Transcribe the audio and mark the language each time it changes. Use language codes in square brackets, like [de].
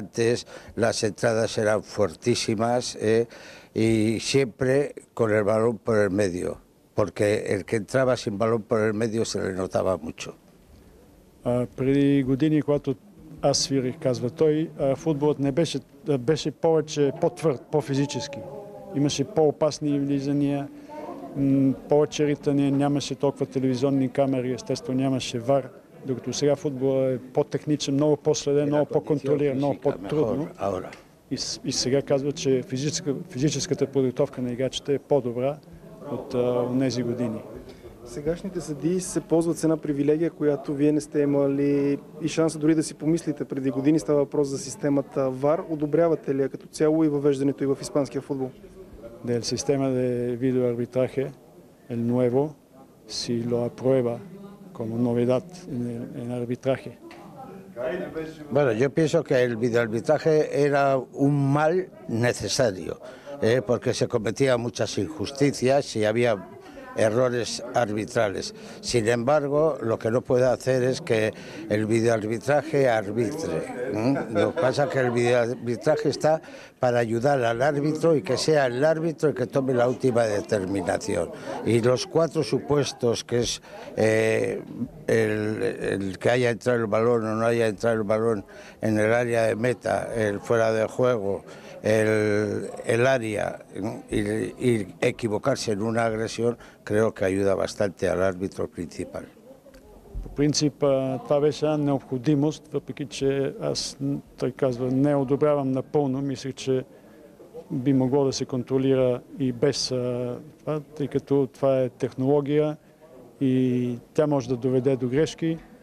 [es] Antes las entradas eran fuertísimas, y siempre con el balón por el medio, porque el que entraba sin balón por el medio se le notaba mucho. [bg] Преди години, когато аз свирих, казва той, футболът не беше, беше повече по-твърд, по-физически. Имаше по-опасни влизания, повече ритания, нямаше толкова телевизионни камери, естествено нямаше ВАР, докато сега футболът е по-техничен, много по-следен, много по-контролиран, много по-трудно. И сега казва, че физическата подготовка на играчите е по-добра от тези години. Сегашните съдии се ползват с една привилегия, която вие не сте имали и шанса дори да си помислите. Преди години става въпрос за системата ВАР. Одобрявате ли я като цяло и въвеждането и в испанския футбол? [es] Del sistema de videoarbitraje, el nuevo, si lo aprueba como novedad en el arbitraje. Bueno, yo pienso que el videoarbitraje era un mal necesario, porque se cometían muchas injusticias y había errores arbitrales. Sin embargo, lo que no puede hacer es que el videoarbitraje arbitre. Lo que pasa es que el videoarbitraje está para ayudar al árbitro y que sea el árbitro el que tome la última determinación. Y los cuatro supuestos, que es el que haya entrado el balón o no haya entrado el balón en el área de meta, el fuera de juego, el área y equivocarse en una agresión, creo que ayuda bastante al árbitro principal. [bg] По принцип, това беше една необходимост, въпреки че аз, той казва, не одобрявам напълно. Мислих, че би могло да се контролира и без това, тъй като това е технология и тя може да доведе до грешки.